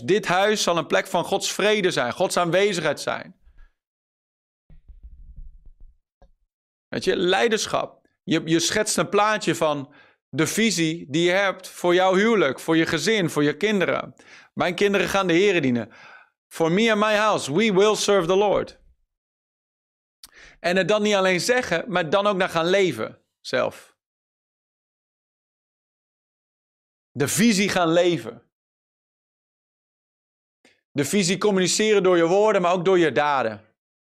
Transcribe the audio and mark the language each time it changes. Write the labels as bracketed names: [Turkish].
[Dutch] Dit huis zal een plek van Gods vrede zijn, Gods aanwezigheid zijn. Weet je, leiderschap. Je schetst een plaatje van de visie die je hebt voor jouw huwelijk, voor je gezin, voor je kinderen. Mijn kinderen gaan de Heere dienen. [English] For me and my house, we will serve the Lord. [Dutch] En het dan niet alleen zeggen, maar dan ook naar gaan leven zelf. De visie gaan leven. De visie communiceren door je woorden, maar ook door je daden.